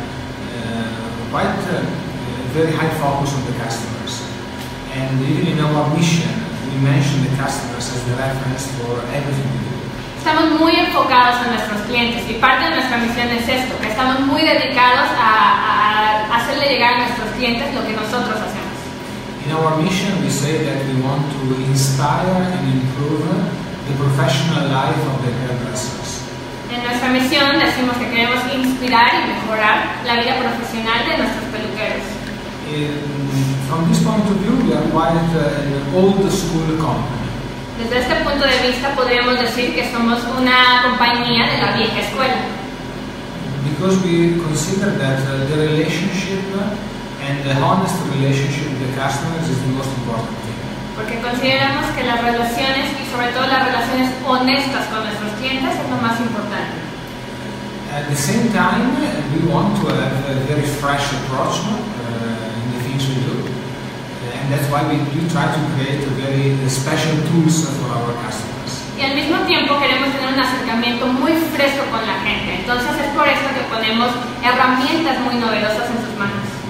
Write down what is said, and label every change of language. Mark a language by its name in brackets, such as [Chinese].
[English] Very high focus on the customers, and even in our mission, we mention the customers as the reference for everything we do. [Spanish] Estamos muy enfocados en nuestros clientes, y parte de nuestra misión es esto, que estamos muy dedicados a hacerle llegar a nuestros clientes lo que nosotros hacemos. [English] In our mission, we say that we want to inspire and improve the professional life of the hairdressers. [Spanish] En nuestra misión decimos que queremos inspirar y mejorar la vida profesional de nuestros peluqueros. [English] From this point of view, we are quite an old school company. [Spanish] Desde este punto de vista, podríamos decir que somos una compañía de la vieja escuela. [English] Because we consider that the relationship and the honest relationship with the customers is the most important thing. [Spanish] Porque consideramos que las relaciones y sobre todo las relaciones honestas con nuestros clientes es lo más importante. [English] At the same time, we want to have a very fresh approach. That's why we do try to create a very special tools for our customers. [Spanish] Y al mismo tiempo queremos tener un acercamiento muy fresco con la gente. Entonces es por eso que ponemos herramientas muy novedosas en sus manos.